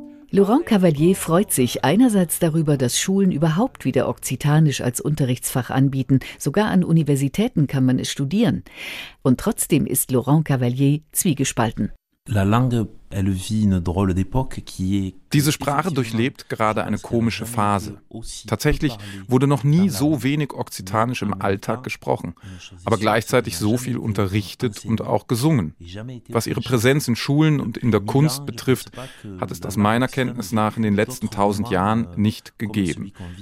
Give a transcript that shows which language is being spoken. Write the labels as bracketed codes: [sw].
[de] Laurent Cavalier freut sich einerseits darüber, dass Schulen überhaupt wieder Okzitanisch als Unterrichtsfach anbieten. Sogar an Universitäten kann man es studieren. Und trotzdem ist Laurent Cavalier zwiegespalten. [fr] La langue, elle vit une drôle d'époque qui est. [de] Diese Sprache durchlebt gerade eine komische Phase. Tatsächlich wurde noch nie so wenig Okzitanisch im Alltag gesprochen, aber gleichzeitig so viel unterrichtet und auch gesungen. Was ihre Präsenz in Schulen und in der Kunst betrifft, hat es das meiner Kenntnis nach in den letzten 1000 Jahren nicht gegeben.